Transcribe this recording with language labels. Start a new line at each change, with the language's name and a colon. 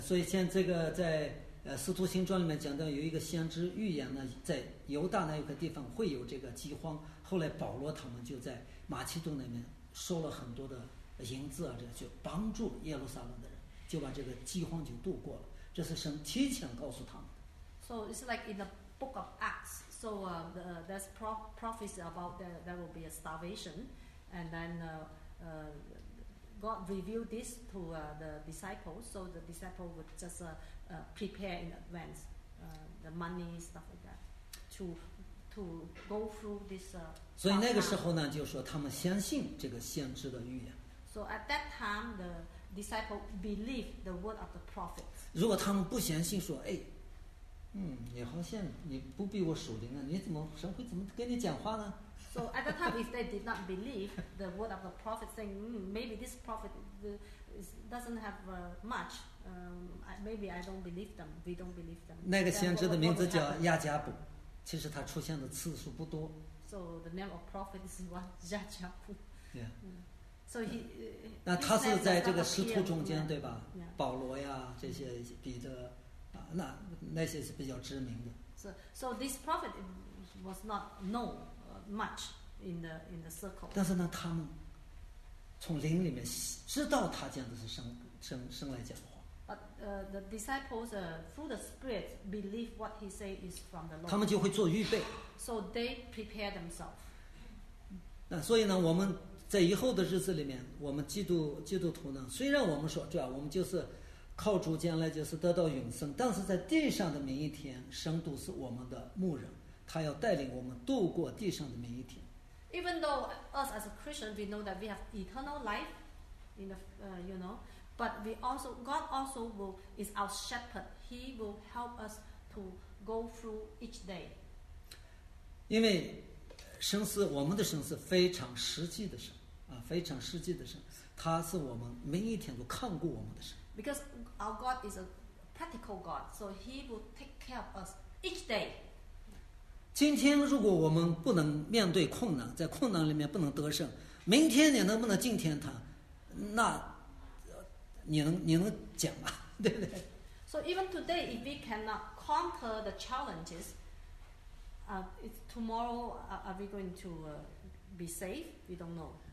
Chinese: 所以现在这个在使徒行传里面讲到有一个先知预言呢，在犹大那一个地方会有这个饥荒。后来保罗他们就在马其顿那边收了很多的银子啊，这就帮助耶路撒冷的人，就把这个饥荒就度过了。这是神提前告诉他们的。
English: So it's like in the book of Acts. So there's prophecy about there will be a starvation, and then God revealed this to the disciples, so the disciples would just prepare in advance the money stuff like that to go through this.
Chinese: 所以那个时候呢，就说他们相信这个先知的预言。
English: So at that time, the disciples believe the word of the prophet.
Chinese: 如果他们不相信，说哎，你好像你不比我属灵啊，你怎么神会怎么跟你讲话呢？
English: So at that time, if they did not believe the word of the prophet, saying maybe this prophet doesn't have much, maybe I don't believe them. We don't believe them.
Chinese: 那个先知的名字叫亚加卜，其实他出现的次数不多。
English: So the name of prophet is what 亚加卜。 Yeah. So he.
Chinese: 那他是在这个使徒中间，对吧？
English: Yeah.
Chinese: 保罗呀，这些彼得啊，那些是比较知名的。
English: So this prophet was not known. Much in the circle.
Chinese: 但是呢，他们从灵里面知道他这样子是生来讲话。
English: The disciples through the spirit believe what he say is from the Lord.
Chinese: 他们就会做预备。
English: So they prepare themselves.
Chinese: 那所以呢，我们在以后的日子里面，我们基督徒呢，虽然我们说对啊，我们就是靠主将来就是得到永生，但是在地上的每一天，神都是我们的牧人。他要带领我们度过地上的每一天。
English: Even though us as a Christian, we know that we have eternal life, in the you know, but we also God also will is our shepherd. He will help us to go through each day.
Chinese: 因为神是我们的神是非常实际的神啊，非常实际的神，他是我们每一天都看顾我们的神。
English: Because our God is a practical God, so He will take care of us each day.
Chinese: 今天如果我们不能面对困难，在困难里面不能得胜，明天你能不能进天堂？那，你能讲吗？对不对
English: ？So even today, if we cannot conquer the challenges, tomorrow are we going to be safe? We don't know.